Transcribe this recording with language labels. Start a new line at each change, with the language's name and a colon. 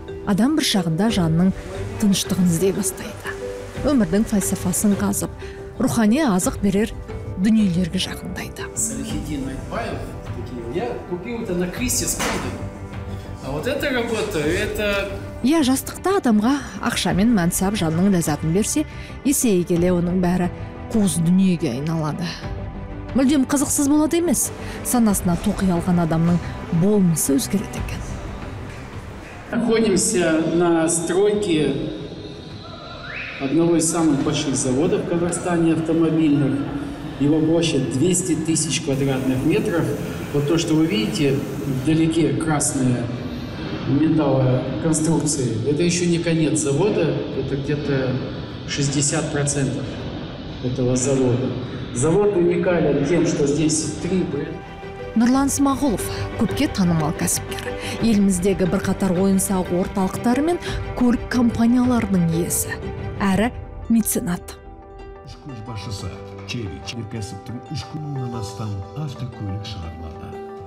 Kazakh: Адам бір шағында жанның тыныштығын іздей бастайды. Өмірдің фальсафасын қазып, рухани азық берер дүниелерге жақындайды.
Russian: Салихиддин Айтбаев, я купил это на кресте с пудой. А вот это работа, это...
Kazakh: Я жастықта адамға ақшамен мәнсап жанның ләззатын берсе, есейе келе оның бәрі қуыс дүниеге айналады. Мүлдем қызықсыз болады емес, санасына тоқи алған адамның болмысы өзгереді екен.
Russian: Находимся на стройке одного из самых больших заводов в Казахстане автомобильных. Его площадь 200 тысяч квадратных метров. Вот то, что вы видите вдалеке, красные металлоконструкции, это еще не конец завода, это где-то 60% этого завода. Завод уникален тем, что здесь три бренда.
Kazakh: Нұрлан Смағұлов көпке танымал кәсіпкер. Еліміздегі бірқатар ойын-сауық орталықтары мен көлік компанияларының иесі. Әрі меценат. Үш көш басшысы Чеви кәсіптің 3 күннен астам автокөлік шығарды.